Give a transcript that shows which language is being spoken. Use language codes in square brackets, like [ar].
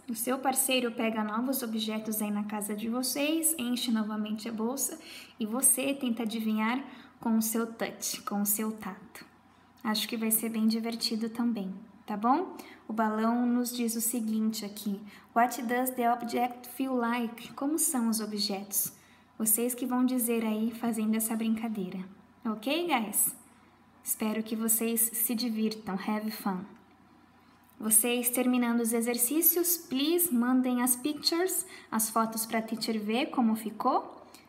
[pt] O seu parceiro pega novos objetos aí na casa de vocês, enche novamente a bolsa e você tenta adivinhar com o seu touch, com o seu tato. Acho que vai ser bem divertido também. tá bom? O balão nos diz o seguinte aqui. [en] What does the object feel like? [pt] Como são os objetos? Vocês que vão dizer aí fazendo essa brincadeira. [en] Ok, guys? [pt] Espero que vocês se divirtam. [en] Have fun. [pt] Vocês terminando os exercícios, please mandem as pictures, as fotos para a teacher ver como ficou.